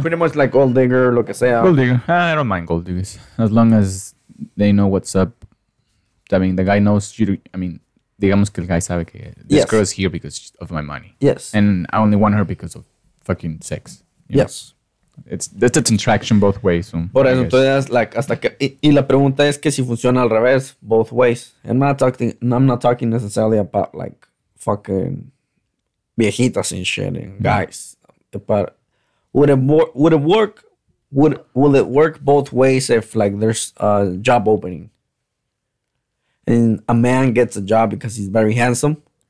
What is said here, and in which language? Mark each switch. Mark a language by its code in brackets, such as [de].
[en] Pretty much like gold digger, [es] lo que sea. [en] Gold digger. I don't mind gold diggers. As long as they know what's up. I mean, the guy knows. [es] Digamos que el guy sabe que [en] this girl is here because of my money. Yes. And I only want her because of fucking sex. Yes. Know? It's an attraction both ways. So, [es] por eso, entonces, like, hasta que, y la pregunta es que si funciona al revés, [en] both ways. I'm not talking necessarily about, like, fucking viejitas and shit and guys. But will it work both ways if, like, there's a job opening? And a man gets a job because he's very handsome?